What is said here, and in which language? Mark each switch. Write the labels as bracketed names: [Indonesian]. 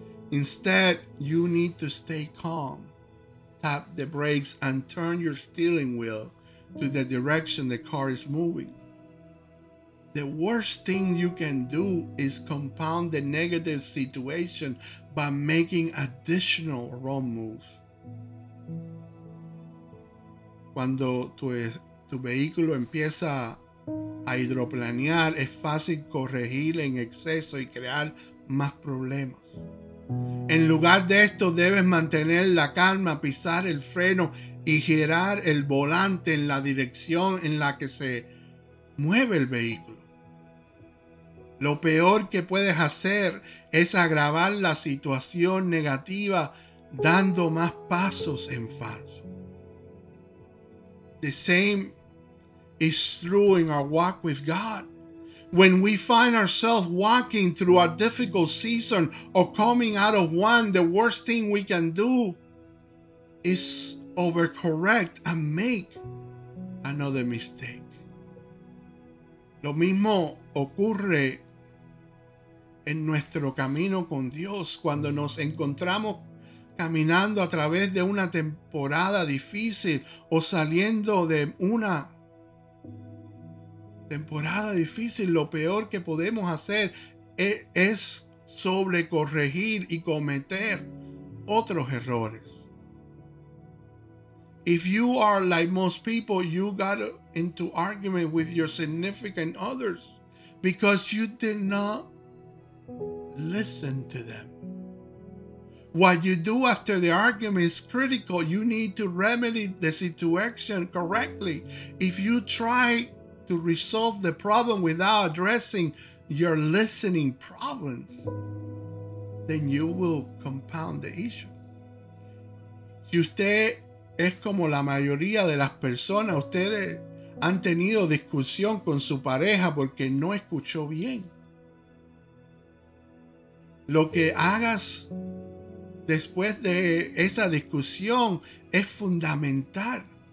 [English] Instead, you need to stay calm, tap the brakes, and turn your steering wheel to the direction the car is moving. The worst thing you can do is compound the negative situation by making additional wrong moves. [Spanish] Cuando tu vehículo empieza a hidroplanear, es fácil corregir en exceso y crear más problemas. En lugar de esto, debes mantener la calma, pisar el freno y girar el volante en la dirección en la que se mueve el vehículo. Lo peor que puedes hacer es agravar la situación negativa dando más pasos en falso. [English] The same is true in our walk with God. When we find ourselves walking through a difficult season or coming out of one, the worst thing we can do is overcorrect and make another mistake. [Spanish] Lo mismo ocurre en nuestro camino con Dios, cuando nos encontramos caminando a través de una temporada difícil o saliendo de una temporada difícil, lo peor que podemos hacer es sobrecorregir y cometer otros errores. [English] If you are like most people, you got into argument with your significant others because you did not listen to them. What you do after the argument is critical. You need to remedy the situation correctly. If you try to resolve the problem without addressing your listening problems, then you will compound the issue. [Spanish] Si usted es como la mayoría de las personas, ustedes han tenido discusión con su pareja porque no escuchó bien. Lo que hagas después de esa discusión es fundamental.